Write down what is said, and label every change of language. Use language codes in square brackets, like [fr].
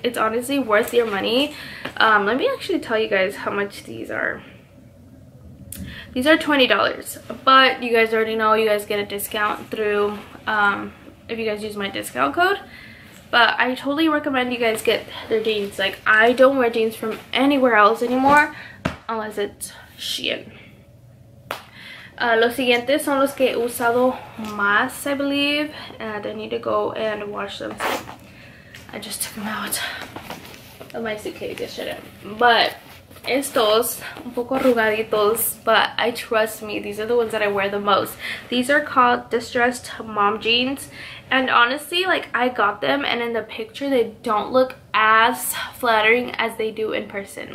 [en] It's honestly worth your money. Let me actually tell you guys how much these are. These are $20. But you guys already know, you guys get a discount through if you guys use my discount code. But I totally recommend you guys get their jeans. Like, I don't wear jeans from anywhere else anymore unless it's Shein. [es] Los siguientes son los que he usado más, [en] I believe. And I need to go and wash them. So I just took them out of my suitcase yesterday. But [es] estos, un poco arrugaditos, [en] but I trust me, these are the ones that I wear the most. These are called distressed mom jeans. And honestly, like, I got them and in the picture they don't look as flattering as they do in person.